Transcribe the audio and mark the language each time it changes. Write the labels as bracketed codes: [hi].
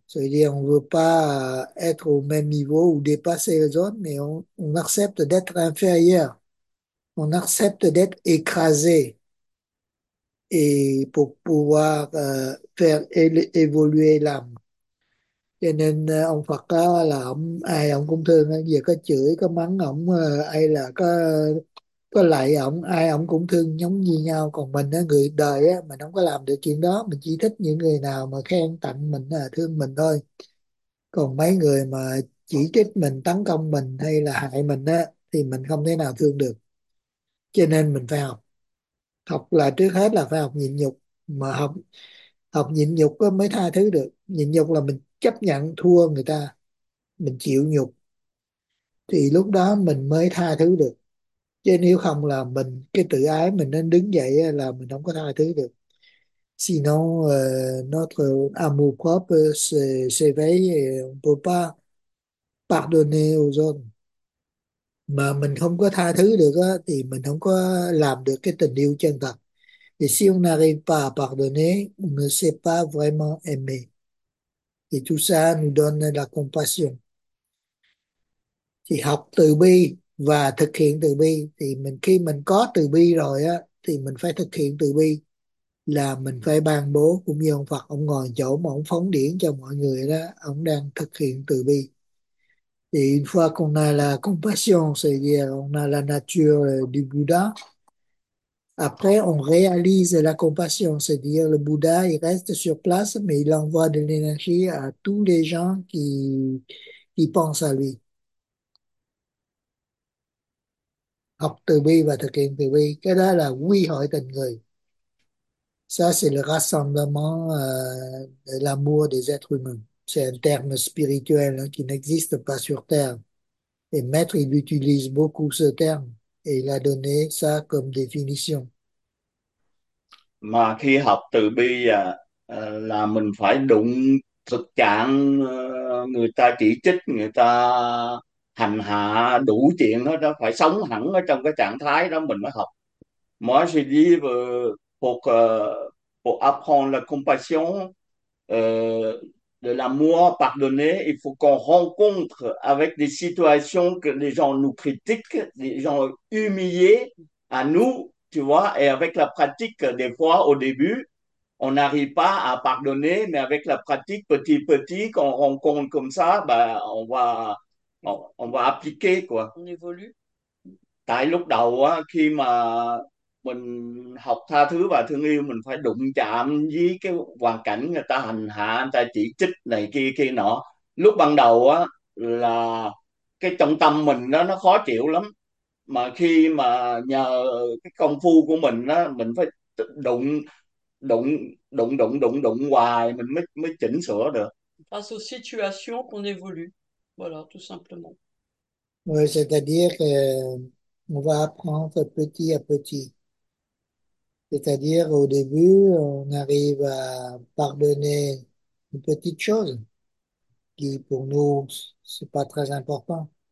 [fr] C'est-à-dire, on ne veut pas être au même niveau ou dépasser les autres, mais on accepte d'être inférieur. On accepte d'être écrasé. Et pour pouvoir faire évoluer l'âme. [vi] Cho nên ông Phật đó là ông, ai ông cũng thương, ông giờ có chửi, có mắng ông, hay là có lạy ông, ai ông cũng thương giống như nhau. Còn mình á, người đời á, mình không có làm được chuyện đó, mình chỉ thích những người nào mà khen tặng mình, thương mình thôi. Còn mấy người mà chỉ trích mình, tấn công mình hay là hại mình á, thì mình không thể nào thương được. Cho nên mình phải học. Học là trước hết là phải học nhịn nhục, mà học học nhịn nhục mới tha thứ được. Nhịn nhục là mình chấp nhận thua người ta, mình chịu nhục, thì lúc đó mình mới tha thứ được. Chứ nếu không là mình, cái tự ái mình nên đứng dậy là mình không có tha thứ được. [fr] Sinon, notre amour propre s'éveille et on ne peut pas pardonner aux autres. [vi] Mà mình không có tha thứ được đó, thì mình không có làm được cái tình yêu chân thật. [fr] Thì si on n'arrive pas à pardonner, on ne sait pas vraiment aimer. Et tout ça nous donne la compassion. [vi] Thì học từ bi và thực hiện từ bi, thì mình khi mình có từ bi rồi á, thì mình phải thực hiện từ bi, là mình phải ban bố, cũng như ông Phật, ông ngồi chỗ mà ông phóng điển cho mọi người đó, ông đang thực hiện từ bi. [fr] Et une fois qu'on a la compassion, c'est-à-dire on a la nature du Bouddha, après on réalise la compassion, c'est-à-dire le Bouddha il reste sur place, mais il envoie de l'énergie à tous les gens qui pensent à lui. [vi] Học từ bi và thực hiện từ bi, cái đó là quy hội tình người. [fr] Ça c'est le rassemblement de l'amour des êtres humains. C'est un terme spirituel hein, qui n'existe pas sur Terre. Et Maître, il utilise beaucoup ce terme et il a donné ça comme définition. [vi] Mà khi học từ bi là mình phải đụng thực trạng người ta chỉ trích, người ta hành hạ đủ chuyện hết đó, phải sống hẳn ở trong cái trạng thái đó mình mới học. [fr] Moi, je dis pour apprendre la compassion, de l'amour pardonné, il faut qu'on rencontre avec des situations que les gens nous critiquent, des gens humiliés à nous, tu vois, et avec la pratique, des fois, au début, on n'arrive pas à pardonner, mais avec la pratique, petit à petit, qu'on rencontre comme ça, ben, on va appliquer, quoi. On évolue. [vi] Tại lúc đầu á, khi mà mình học tha thứ và thương yêu, mình phải đụng chạm với cái hoàn cảnh người ta hành hạ, người ta chỉ trích này kia kia nọ. Lúc ban đầu á là cái trong tâm mình nó khó chịu lắm, mà khi mà nhờ cái công phu của mình á, mình phải đụng đụng đụng đụng đụng đụng hoài mình mới mới chỉnh sửa được. [fr] Face aux situations qu'on évolue. Voilà, tout simplement. Oui, c'est-à-dire on va apprendre petit à petit. C'est-à-dire, au début, on arrive à pardonner une petite chose qui, pour nous, c'est pas très important.